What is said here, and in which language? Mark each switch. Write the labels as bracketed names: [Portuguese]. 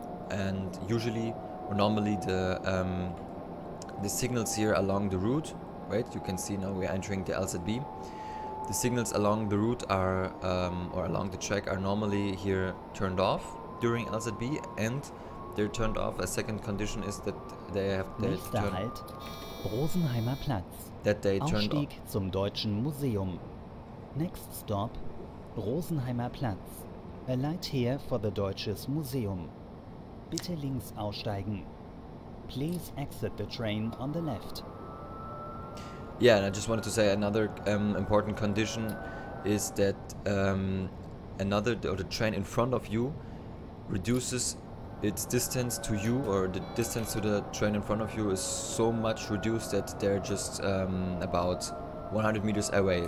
[English] And usually or normally the signals here along the route, right, you can see now we're entering the LZB. The signals along the route are, or along the track, are normally here turned off during LZB, and they're turned off. A second condition is that they have to turn. [German] Halt, Rosenheimer Platz. [English] That they turned off. [German] Aufstieg zum Deutschen Museum. [English] Next stop, [German] Rosenheimer Platz. [English] A light here for the Deutsches Museum. [German] Bitte links aussteigen. [English] Please exit the train on the left. Yeah, and I just wanted to say another important condition is that the train in front of you reduces its distance to you, or the distance to the train in front of you is so much reduced that they're just about 100 meters away.